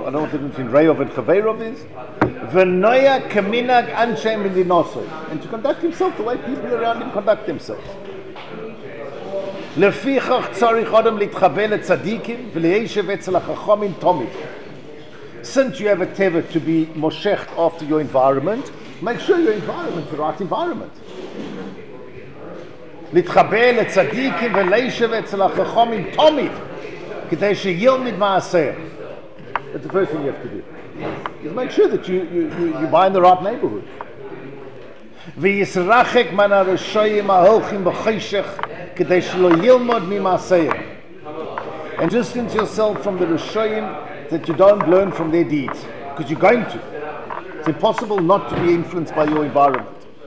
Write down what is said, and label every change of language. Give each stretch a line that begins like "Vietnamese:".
English: I don't know what the difference between Reyov and chaveirov is.
Hebrew: The noya kaminag anshe medinosov,
English: and to conduct himself the way people around him conduct themselves.
Hebrew: לפיכך צריך אדם להתחבא לצדיקים ולישב אצל החכמים תמיד.
English: Since you have a tendency to be moshecht after your environment, make sure your environment is the right environment.
Hebrew: להתחבא לצדיקים ולישב אצל החכמים תמיד כדי שילמד מעשה.
English: That's the first thing you have to do. Just make sure that you buy in the right neighborhood.
Hebrew: וישרחק מן הרשעים ההולכים בחושך כדי שלא ילמד ממעשיהם.
English: And distance yourself from the rishayim that you don't learn from their deeds, because you're going to. It's impossible not to be influenced by your environment.